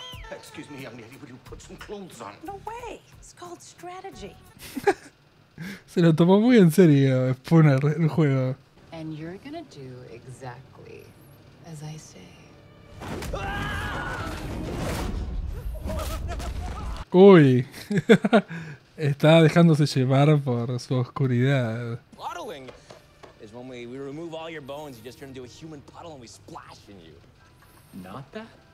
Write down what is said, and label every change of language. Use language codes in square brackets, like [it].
[en] Excuse me, young lady, would you put some clothes on? No way. It's called strategy. [es] Se lo tomó muy en serio, Spooner, el juego. [en] And you're gonna do exactly as I say. [es] Uy, está dejándose llevar por su oscuridad. [en] Puddling is when we remove all your bones, you just turn into a human puddle and we splash in you. Not that.